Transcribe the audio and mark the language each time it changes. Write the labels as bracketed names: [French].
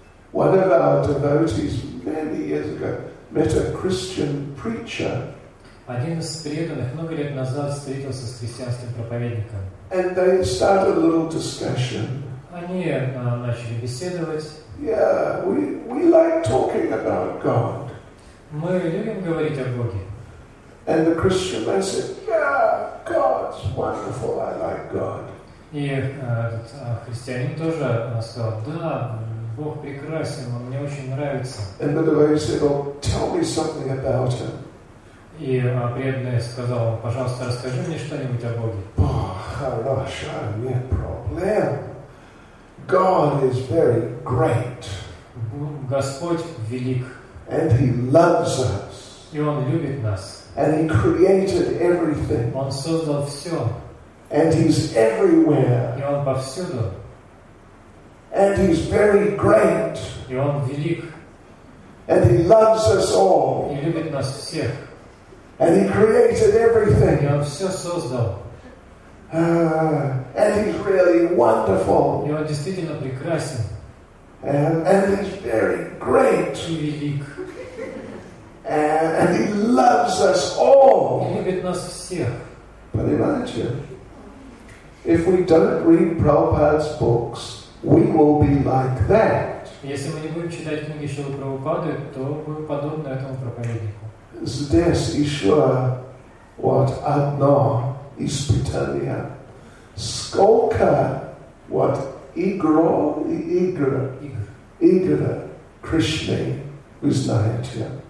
[English] One of our devotees many years ago met a Christian preacher. [Russian] Один из преданных много лет назад встретился с христианским проповедником. [English] And they started a little discussion. [Russian] Они начали беседовать. [English] Yeah, we like talking about God. [Russian] Мы любим говорить о Боге. [English] And the Christian man said, "Yeah, God's wonderful. I like God." [Russian] И этот христианин тоже сказал: "Да, Бог прекрасен, он мне очень нравится." [English] And the guy said, "Well, tell me something about him." [Russian] И преданный сказал: "Пожалуйста, расскажи мне что-нибудь о Боге." [English] Oh, [Russian] хорошо, нет проблем. [English] God is very great. [Russian] Господь велик. [English] And He loves us. [Russian] И Он любит нас. [English] And He created everything. [Russian] Он создал все. [English] And He's everywhere. [Russian] И Он повсюду. [English] And He's very great. [Russian] И Он велик. [English] And He loves us all. [Russian] И любит нас всех. [English] And He created everything. [Russian] И Он все создал. [English] And He's really wonderful. [Russian] И Он действительно прекрасен. [English] And He's very great. [Russian] И велик. [English] And He loves us all. [Russian] И любит нас всех. [English] But imagine, if we don't read Prabhupada's books, we will be like that. [Russian] Если мы не будем читать книги Шрилы Прабхупады, то мы подобны этому проповеднику. Здесь еще вот одно испытание. Сколько вот игра Кришны вы знаете?